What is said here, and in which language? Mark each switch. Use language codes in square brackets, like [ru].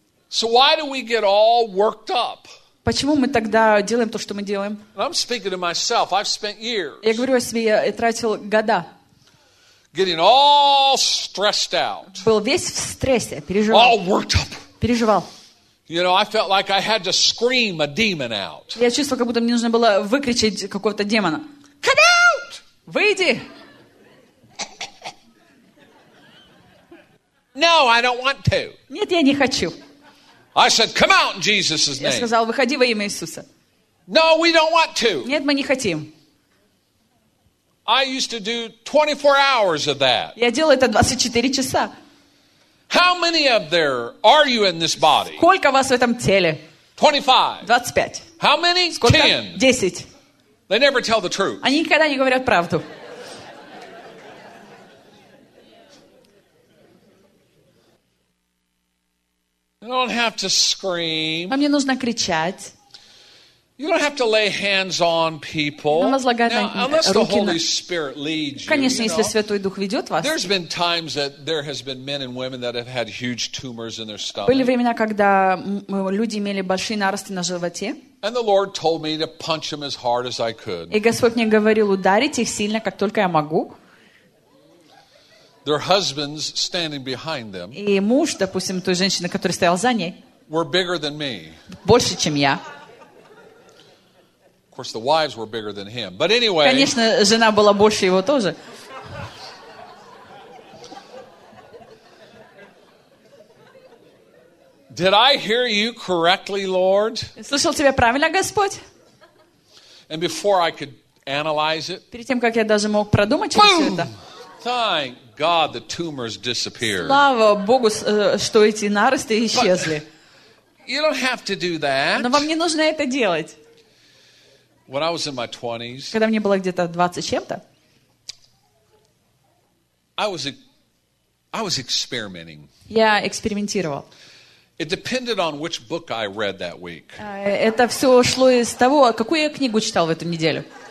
[en] So why do we get all worked up? [ru] Почему мы тогда делаем то, что мы делаем? [en] I'm speaking to myself. I've spent years. [ru] Я говорю о себе, я тратил года. [en] Getting all stressed out. [ru] Был весь в стрессе, переживал. [en] All worked up. [ru] Переживал. [en] You know, I felt like I had to scream a demon out. [ru] Я чувствовал, как будто мне нужно было выкричать какого-то демона. [en] Come out! [ru] Выйди! [en] No, I don't want to. [ru] Нет, я не хочу. [en] I said, come out in Jesus' name. [ru] Я сказал, выходи во имя Иисуса. [en] No, we don't want to. [ru] Нет, мы не хотим. [en] I used to do 24 hours of that. [ru] Я делал это 24 часа. [en] How many of there are you in this body? [ru] Сколько вас в этом теле? [en] 25. [ru] 25. [en] How many? 10. [ru] 10. [en] They never tell the truth. [ru] Они никогда не говорят правду. [en] You don't have to scream. [ru] Вам не нужно кричать. [en] You don't have to lay hands on people. [ru] Не возлагать руки. [en] Unless the Holy Spirit leads you. [ru] Конечно, [en] you [ru] если [en] know. [ru] Святой Дух ведет вас. [en] There's been times that there has been men and women that have had huge tumors in their stomach. [ru] Были времена, когда люди имели большие наросты на животе. [en] And the Lord told me to punch them as hard as I could. [ru] И Господь мне говорил ударить их сильно, как только я могу. [en] Their husbands standing behind them. [ru] И муж, допустим, той женщины, которая стояла за ней. [en] Were bigger than me. [ru] Больше, чем я. [en] Of course, the wives were bigger than him. But anyway. [ru] Конечно, жена была больше его тоже. [en] Did I hear you correctly, Lord? [ru] Слышал тебя правильно, Господь? [en] And before I could analyze it. [ru] Перед тем, как я даже мог продумать через все это. [en] Thank God the tumors disappeared. [ru] Слава Богу, что эти наросты исчезли. [en] You don't have to do that. [ru] Но вам не нужно это делать. [en] When I was in my 20s, [ru] когда мне было где-то 20 чем-то, [en] I was experimenting. [ru] Я экспериментировал. [en] It depended on which book I read that week. [ru] Это все шло из того, какую я книгу читал в эту неделю.